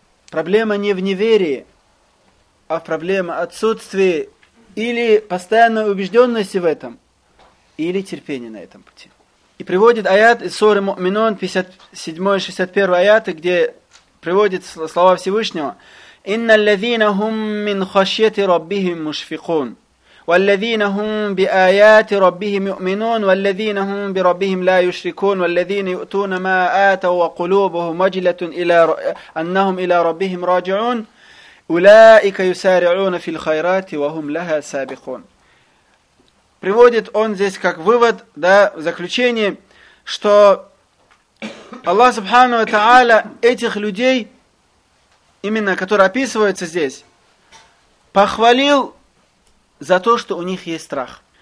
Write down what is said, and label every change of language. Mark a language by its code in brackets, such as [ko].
[ru] Проблема не в неверии, а в проблема отсутствия или постоянной убежденности в этом, или терпения на этом пути. И приводит аят из суры Муминон, 57-61 аяты, где приводит слова Всевышнего: [ar] «Инна ллязина хум мин хашьяти раббихим мушфикун». والذين هم بآيات ربهم يؤمنون والذين هم بربهم لا يشركون والذين يؤتون ما آتوا وقلوبهم وجلة إلى أنهم إلى ربهم راجعون أولئك يسارعون في الخيرات وهم لها سابقون. [ru] Приводит он здесь как вывод, да, в заключение, что Аллах Субхану ва Тааля этих людей, именно которые описываются здесь, похвалил за то, что у них есть страх.